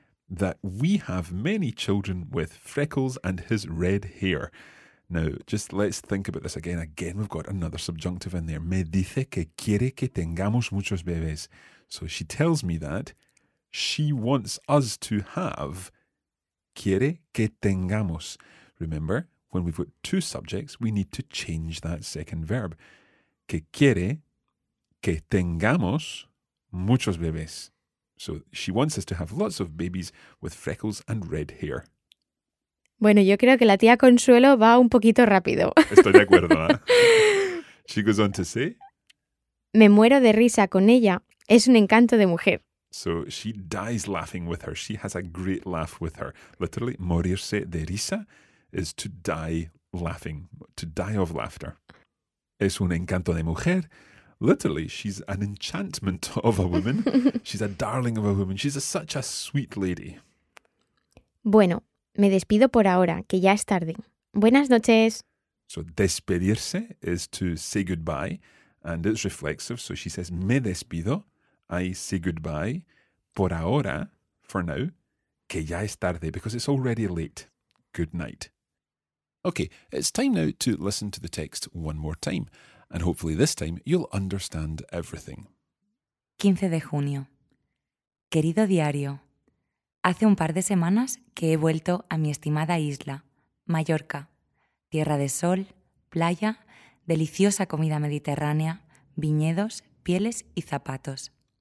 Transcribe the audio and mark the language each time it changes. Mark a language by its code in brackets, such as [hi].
[en] That we have many children with freckles and his red hair. Now, just let's think about this again. Again, we've got another subjunctive in there. [es] Me dice que quiere que tengamos muchos bebés. [en] So she tells me that she wants us to have. [es] Quiere que tengamos. [en] Remember, when we've got two subjects, we need to change that second verb. [es] Que quiere que tengamos muchos bebés. [en] So she wants us to have lots of babies with freckles and red hair. [es] Bueno, yo creo que la tía Consuelo va un poquito rápido. Estoy de acuerdo, ¿eh? [en] She goes on to say, [es] me muero de risa con ella. Es un encanto de mujer. [en] So she dies laughing with her. She has a great laugh with her. Literally, [es] morirse de risa [en] is to die laughing, to die of laughter. [es] Es un encanto de mujer. [en] Literally, she's an enchantment of a woman. She's a darling of a woman. She's such a sweet lady. [es] Bueno, me despido por ahora, que ya es tarde. Buenas noches. [en] So despedirse is to say goodbye, and it's reflexive. So she says, [es] me despido. [en] I say goodbye [es] por ahora, [en] for now, [es] que ya es tarde, [en] because it's already late. Good night. Okay, it's time now to listen to the text one more time, and hopefully this time you'll understand everything. [es] 15 de junio. Querido diario, hace un par de semanas que he vuelto a mi estimada isla, Mallorca. Tierra de sol, playa, deliciosa comida mediterránea, viñedos, pieles y zapatos.